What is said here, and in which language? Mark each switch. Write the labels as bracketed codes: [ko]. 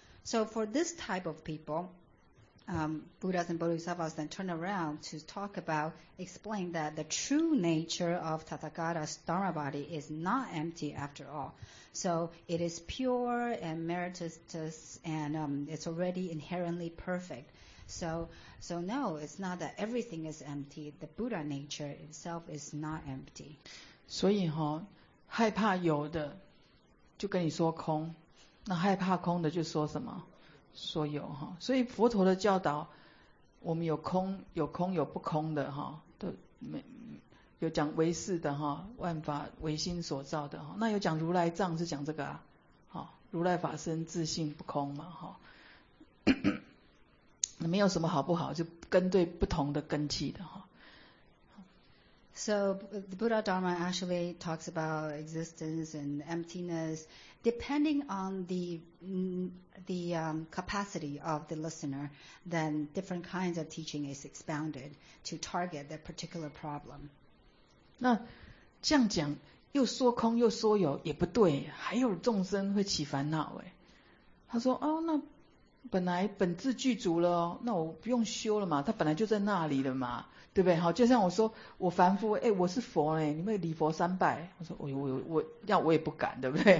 [en] So for this type of people, Buddhas and Bodhisattvas then turn around to talk about, explain that the true nature of Tathagata's Dharma body is not empty after all. So it is pure and meritorious and it's already inherently perfect. So no, it's not that everything is empty. The Buddha nature itself is not empty. [zh] 所以哈，害怕有的就跟你说空，那害怕空的就说什么？说有哈，所以佛陀的教导，我们有空，有空，有不空的哈，都没有讲唯识的哈，万法唯心所造的哈，那有讲如来藏是讲这个啊，哈，如来法身自性不空嘛哈，没有什么好不好，就跟对不同的根器的哈。 [en] So the Buddha Dharma actually talks about existence and emptiness depending on the capacity of the listener, then different kinds of teaching is expounded to target that particular problem. [zh] 那这样讲又说空又说有也不对，还有众生会起烦恼耶。他说哦，那本来本质具足了，那我不用修了嘛，他本来就在那里了嘛，对不对？好，就像我说我凡夫，哎，我是佛嘞，你们礼佛三拜，我说我也不敢，对不对？